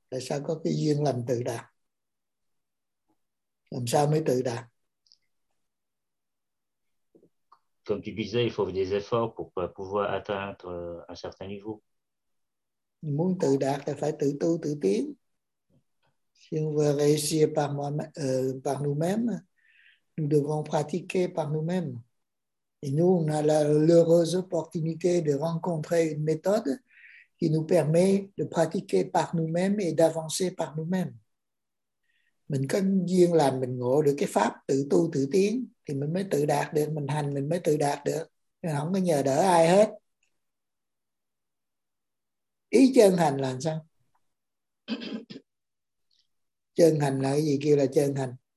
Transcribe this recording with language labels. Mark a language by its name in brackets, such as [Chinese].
[Vietnamese] Tại sao có cái duyên lành tự đạt? Làm sao mới tự đạt? [French] comme tu disais, il faut des efforts pour pouvoir atteindre un certain niveau. [Vietnamese] Muốn tự đạt là phải tự tu tự tiến. [French] Si on veut réussir par par nous-mêmes, nous devons pratiquer par nous-mêmes. Et nous, on a l'heureuse opportunité de rencontrer une méthode qui nous permet de pratiquer par nous-mêmes et d'avancer par nous-mêmes. [Vietnamese] Mình có duyên là mình ngộ được cái pháp tự tu tự tiến thì mình mới tự đạt được, mình hành mình mới tự đạt được. Mình không có nhờ đỡ ai hết. Ý chân hành là sao? Chân hành là cái gì? Kêu là chân hành.